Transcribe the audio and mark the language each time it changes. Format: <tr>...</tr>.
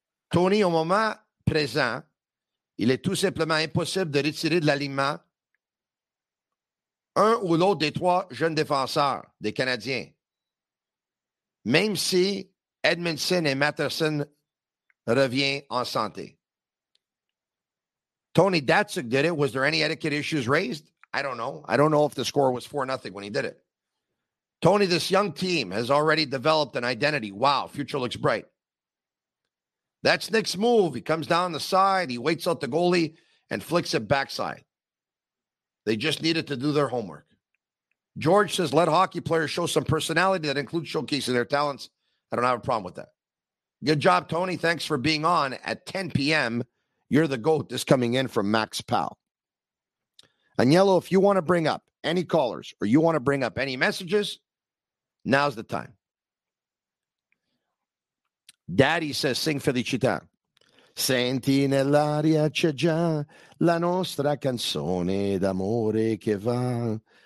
<fr>Tony, au moment présent, il est tout simplement impossible de retirer de l'alignement un ou l'autre des trois jeunes défenseurs des Canadiens. Même si Edmondson et Matheson revient en santé.</fr> <en>Tony Datsyuk did it. Was there any etiquette issues raised? I don't know. I don't know if the score was 4-0 when he did it. Tony, this young team has already developed an identity. Wow, future looks bright. That's Nick's move. He comes down the side. He waits out the goalie and flicks it backside. They just needed to do their homework. George says, let hockey players show some personality that includes showcasing their talents. I don't have a problem with that. Good job, Tony. Thanks for being on at 10 p.m. You're the GOAT. This coming in from Max Powell. Agnello, if you want to bring up any callers or you want to bring up any messages, now's the time. Daddy says, sing Felicità.</en> <it>Senti nell'aria c'è già la nostra canzone d'amore che va.</it>